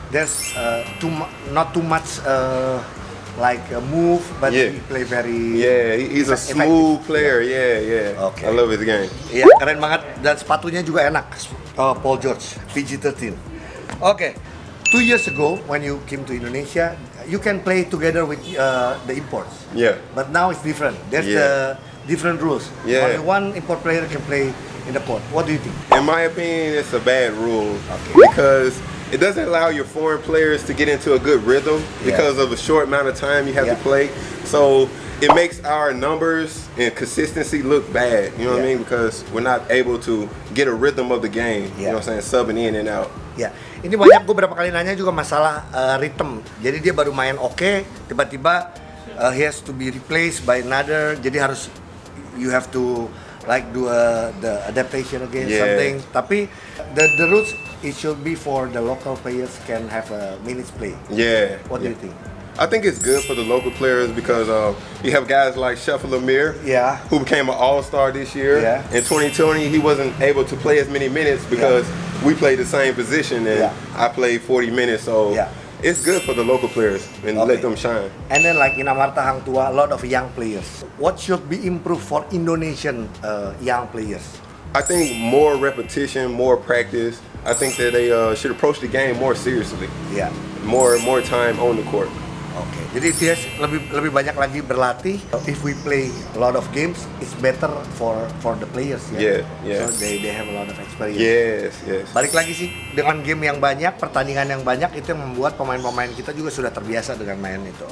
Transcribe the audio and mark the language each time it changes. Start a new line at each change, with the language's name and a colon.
English: There's not too much like a move, but yeah. He play very. Yeah, he's a smooth player. Yeah, yeah. Okay. I love his game.
Indonesian: Yeah, keren banget dan sepatunya juga enak.
English: Paul George, PG-13. Okay. 2 years ago, when you came to Indonesia, you can play together with the imports. Yeah. But now it's different. There's the different rules. Yeah. Only one import player can play in the court. What do you think? In my opinion, it's a bad rule. Okay. Because it doesn't allow your foreign players to get into a good rhythm because of a short amount of time you have to play. So it makes our numbers and consistency look bad. You know what I mean? Because we're not able to get a rhythm of the game. Yeah. You know what I'm saying? Subbing in and out. Yeah.
Indonesian: Ini banyak gue berapa kali nanya juga masalah rhythm. Jadi dia baru main okay, tiba-tiba
English: he has to be replaced by another.
Indonesian: Jadi harus
English: you have to like do the adaptation again something. Tapi the rules it should be for the local players can have a minutes play. Yeah. What do you think? I think it's good for the local players because you have guys like Shuffle Lemire, who became an all-star this year. Yeah. In 2020, he wasn't able to play as many minutes because we played the same position and I played 40 minutes. So it's good for the local players and let them shine. And then like in Amarta Hang Tuah, a lot of young players. What should be improved for Indonesian young players? I think more repetition, more practice. I think that they should approach the game more seriously. Yeah. More time on the court. Okay.
Indonesian: Jadi dia lebih banyak lagi berlatih.
English: If we play a lot of games, it's better for the players ya. Yeah, yeah. So they have a lot of experience. Yes, yes.
Indonesian: Balik lagi sih dengan game yang banyak, pertandingan yang banyak itu yang membuat pemain-pemain kita juga sudah terbiasa dengan main itu.